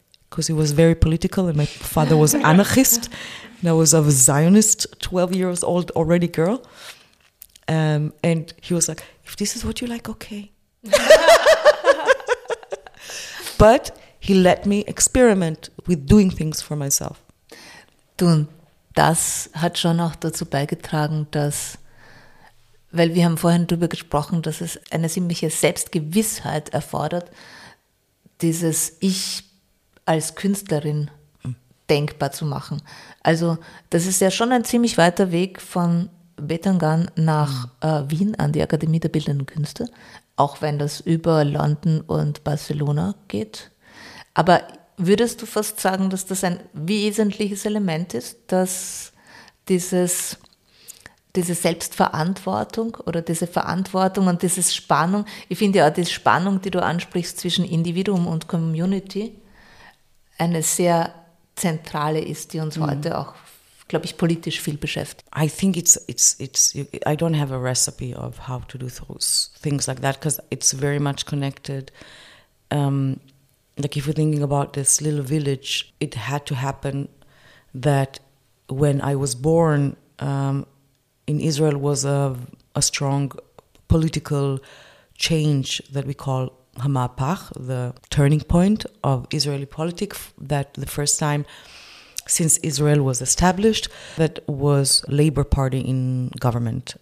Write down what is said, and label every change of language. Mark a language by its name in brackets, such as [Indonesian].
[English] because he was very political and my father was anarchist. And I was a Zionist, 12 years old already girl. And he was like, if this is what you like, okay. But he let me experiment with doing things for myself. [German] Und das hat schon auch dazu beigetragen, dass, weil wir haben vorhin darüber gesprochen, dass es eine ziemliche Selbstgewissheit erfordert, dieses Ich als Künstlerin denkbar zu machen. Also das ist ja schon ein ziemlich weiter Weg von Betangan nach Wien an die Akademie der Bildenden Künste, auch wenn das über London und Barcelona geht. Aber würdest du fast sagen, dass das ein wesentliches Element ist, dass diese Selbstverantwortung oder diese Verantwortung und diese Spannung, ich finde ja auch die Spannung, die du ansprichst zwischen Individuum und Community, eine sehr zentrale ist, die uns heute auch, glaube ich, politisch viel beschäftigt. [English] I think it's I don't have a recipe of how to do those things like that, because it's very much connected. Like if you're thinking about this little village, it had to happen that when I was born in Israel was a strong political change that we call Hamapach, the turning point of Israeli politics, that the first time since Israel was established that was Labour Party in government.